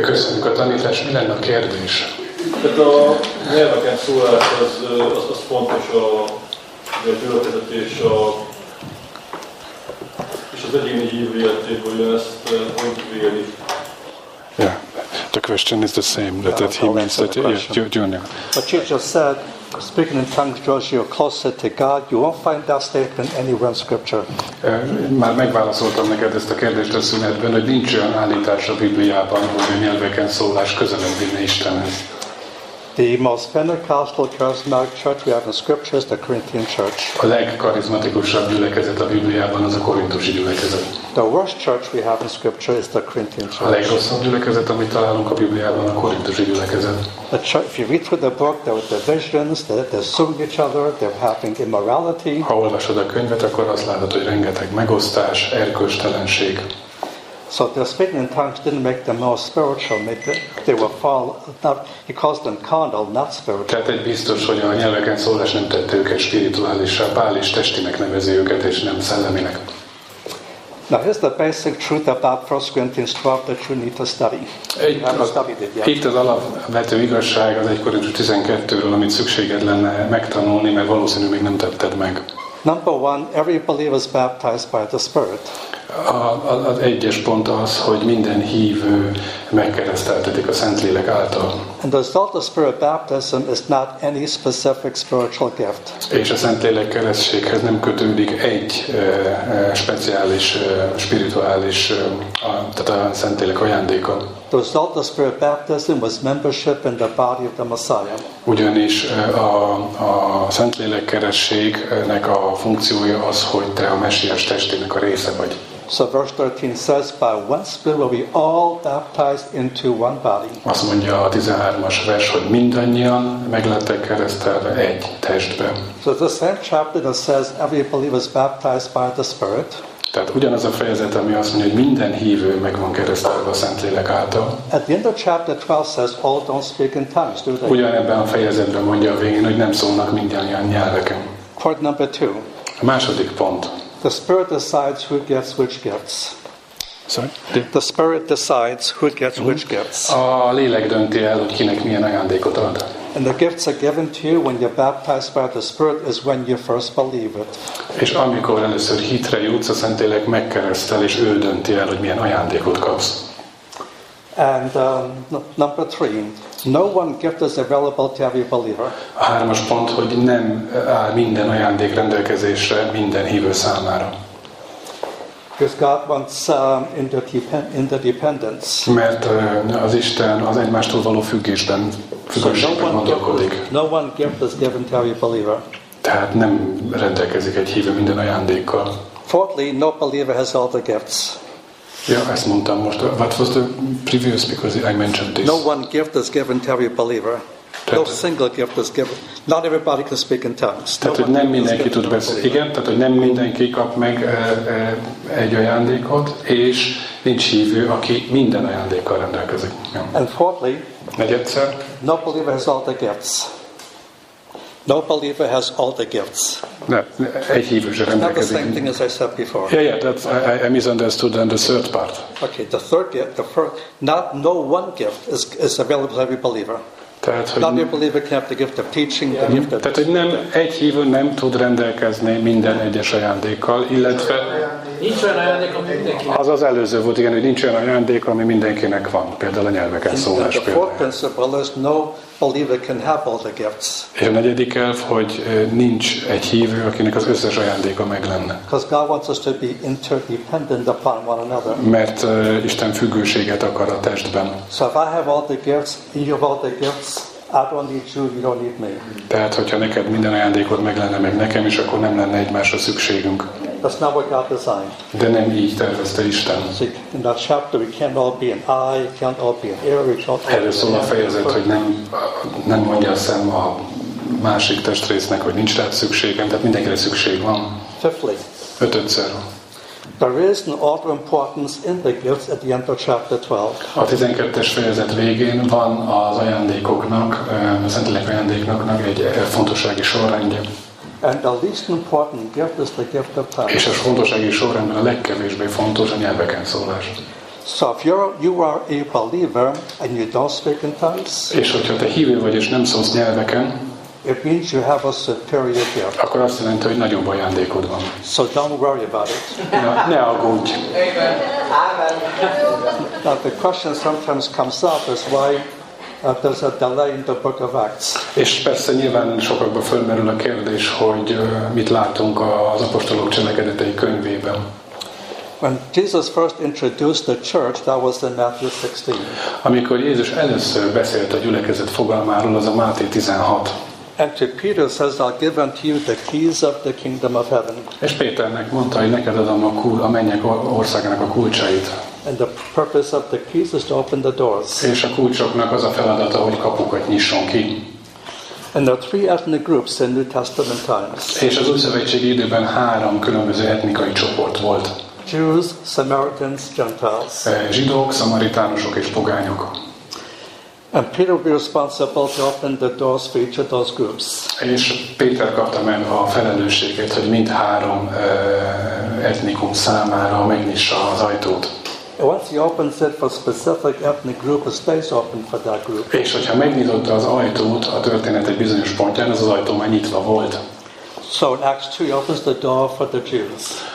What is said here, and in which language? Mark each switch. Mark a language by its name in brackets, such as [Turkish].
[Hungarian] Köszönjük a tanítás, mi lenne a kérdés? Tehát a nyelveken szólás az fontos a gyülekezet és az egyéni hívő életéből jön ezt, hogy véli. [English] Yeah. The question is the same, that he means that... But you just said, speaking in tongues draws you closer to God. You won't find that statement anywhere in Scripture. [Hungarian] Már megválaszoltam neked ezt a kérdést a szünetben, hogy nincs olyan állítás a Bibliában, hogy a nyelveken szólás közelebb vinne Istenhez. [English] The most Pentecostal charismatic church we have in Scripture is the Corinthian church. [Hungarian] A legkarizmatikusabb gyülekezet a Bibliában az a korintusi gyülekezet. [English] The worst church we have in Scripture is the Corinthian church. [Hungarian] A legrosszabb gyülekezet, amit találunk a Bibliában, a korintusi gyülekezet. [English] The church, if you read through the book, there are divisions, they're suing each other, they're having immorality. [Hungarian] Ha olvasod a könyvet, akkor azt látod, hogy rengeteg megosztás, erkölcstelenség. [English] So the speaking in tongues didn't make them more spiritual. They were fall. Not, he calls them carnal, not spiritual. [Hungarian] Tehát egy biztos, hogy a nyelveken szólás nem tette őket spirituálisra. Pál is testinek nevezi őket, és nem szelleminek. [English] Now here's the basic truth about 1 Corinthians 12 that you need to study. [Hungarian] Itt az alapvető igazság az 1 Korintus 12-ről, amit szükséged lenne megtanulni, mert valószínű még nem tetted meg. [English] Number one, every believer is baptized by the Spirit. [Hungarian] Az egyes pont az, hogy minden hívő megkereszteltetik a Szentlélek által. [English] And the result of spirit baptism is not any specific spiritual gift. [Hungarian] És a Szentlélek keresztséghez nem kötődik egy speciális spirituális, tehát a Szentlélek ajándéka. [English] The result of spirit baptism was membership in the body of the Messiah. [Hungarian] Ugyanis a Szentlélek keresztségnek a funkciója az, hogy te a Mesiás testének a része vagy. [English] So verse 13 says, by one spirit will we all baptized into one body. [Hungarian] Azt mondja a 13-as vers, hogy mindannyian meglettek keresztelve egy testbe. [English] So the same chapter that says every believer is baptized by the Spirit. [Hungarian] Tehát ugyanaz a fejezet, ami azt mondja, hogy minden hívő meg van keresztelve a Szentlélek által. [English] At the end of chapter 12 says all don't speak in tongues, do they? [Hungarian] Ugyanebben a fejezetben mondja a végén, hogy nem szólnak mindannyian nyelveken. [English] Point number two. [Hungarian] A második pont. [English] The Spirit decides who gets which gifts. Sorry? The Spirit decides who gets which gifts. [Hungarian] A lélek dönti el, hogy kinek milyen ajándékot ad. [English] And the gifts are given to you when you're baptized by the Spirit is when you first believe it. [Hungarian] És amikor először hitre jutsz, a Szentlélek megkeresztel, és ő dönti el, hogy milyen ajándékot kapsz. [English] And number three. No one gift is available to every believer. [Hungarian] A hármas pont, hogy nem áll minden ajándék rendelkezésre minden hívő számára. [English] Because God wants interdependence. [Hungarian] Mert az Isten az egymástól való függésben, függőségben gondolkodik. [English] So no one gift is given to every believer. [Hungarian] Tehát nem rendelkezik egy hívő minden ajándékkal. [English] Fourthly, no believer has all the gifts. [Hungarian] Ja, ezt mondtam most. [English] What was the previous, because I mentioned this. No one gift is given to every believer. No single gift is given. Not everybody can speak in tongues. [Hungarian] Tehát, hogy nem mindenki tud beszélni. Igen, tehát, hogy nem mindenki kap meg egy ajándékot, és nincs hívő, aki minden ajándékkal rendelkezik. [English] And fourthly, [Hungarian] negyedszer, [English] no believer has all the gifts. No believer has all the gifts. [Hungarian] Egy hívő sem rendelkezik. [English] Not the same thing as I said before. I misunderstood then the third part. Okay, the third gift, the first, not no one gift is available to every believer. [Hungarian] Tehát, hogy [English] not every believer can have the gift of teaching, the gift of. [Hungarian] Tehát, hogy nem egy hívő nem tud rendelkezni minden egyes ajándékkal, illetve nincs olyan ajándék, ami mindenkinek. Az az előző volt, igen, hogy nincs olyan ajándék, ami mindenkinek van. Például a nyelveken szólás például. [English] The fourth principle is no believer can have all the gifts. [Hungarian] És a negyedik elv, hogy nincs egy hívő, akinek az összes ajándéka meg lenne. [English] Because God wants us to be interdependent upon one another. [Hungarian] Mert Isten függőséget akar a testben. [English] So if I have all the gifts, you have all the gifts. I don't need you, you don't need me. [Hungarian] Tehát, hogyha neked minden ajándékod meg lenne, meg nekem is, akkor nem lenne egymásra szükségünk. [English] That's not what God designed. [Hungarian] De nem így tervezte Isten. [English] See, in that chapter we can't all be an eye, can't all be an ear, we can't all be an ear. [Hungarian] A fejezet, hogy nem mondja a szem a másik testrésznek, hogy nincs rá szükségem, tehát mindenkire szükség van. [English] Fifthly. [Hungarian] Ötödször. [English] There is an order of importance in the gifts at the end of chapter 12. [Hungarian] A 12-es fejezet végén van az ajándékoknak, a Szentlélek ajándékoknak egy fontossági sorrendje. [English] And the least important gift is the gift of tongues. [Hungarian] És a fontossági sorrendben a legkevésbé fontos a nyelveken szólás. [English] So if you are a believer and you don't speak in tongues. [Hungarian] És hogyha te hívő vagy és nem szólsz nyelveken. [English] It means you have a superior gift. [Hungarian] Akkor azt jelenti, hogy nagyobb ajándékod van. [English] So don't worry about it. [Hungarian] Ne aggódj. [English] Amen. Now the question sometimes comes up is why there's a delay in the book of Acts. [Hungarian] És persze nyilván sokakban fölmerül a kérdés, hogy mit látunk az apostolok cselekedetei könyvében. [English] When Jesus first introduced the church, that was in Matthew 16. [Hungarian] Amikor Jézus először beszélt a gyülekezet fogalmáról, az a Máté 16. [English] And to Peter says, I'll give unto you the keys of the kingdom of heaven. [Hungarian] És Péternek mondta, hogy neked adom a mennyek országának a kulcsait. [English] And the purpose of the keys is to open the doors. [Hungarian] És a kulcsoknak az a feladata, hogy kapukat nyisson ki. [English] And there are three ethnic groups in New Testament times. [Hungarian] És az újszövetségi időben három különböző etnikai csoport volt. [English] Jews, Samaritans, Gentiles. [Hungarian] Zsidók, szamaritánusok és pogányok. [English] And Peter will be responsible to open the doors for each of those groups. [Hungarian] És Péter kapta meg a felelősséget, hogy mind három etnikum számára megnyissa az ajtót. [English] Once he opens it for a specific ethnic group, a space open for that group. [Hungarian] És hogyha megnyitotta az ajtót a történet egy bizonyos pontján, az ajtó már nyitva volt. [English] So in Acts 2 he opens the door for the Jews.